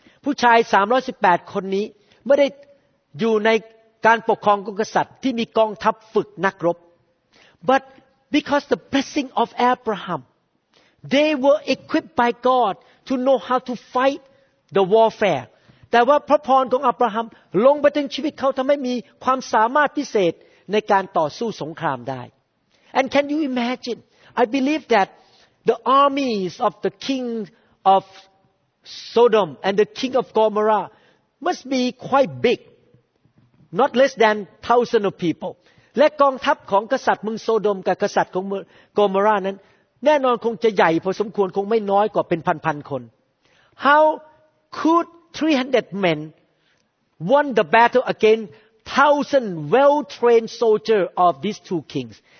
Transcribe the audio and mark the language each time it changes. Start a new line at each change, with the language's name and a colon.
Thai: ผู้ชาย318คนนี้ไม่ได้อยู่ในการปกครองของกษัตริย์ที่มีกองทัพฝึกนักรบ
English: But because the blessing of Abraham, they were equipped by God to know how to fight the warfare.
Thai: แต่ว่าพระพรของอับราฮัมลงไปถึงชีวิตเขาทำให้มีความสามารถพิเศษในการต่อสู้สงครามได้
English: And can you imagine? I believe thatThe armies of the king of Sodom and the king of Gomorrah must be quite big, not less than thousands of people.
Thai: และกองทัพของกษัตริย์เมืองโซโดมกับกษัตริย์ของเมืองโกมอร่านั้นแน่นอนคงจะใหญ่พอสมควรคงไม่น้อยกว่าเป็นพันๆคน
English: How could 300 men won the battle against 1,000 well-trained soldiers of these two kings?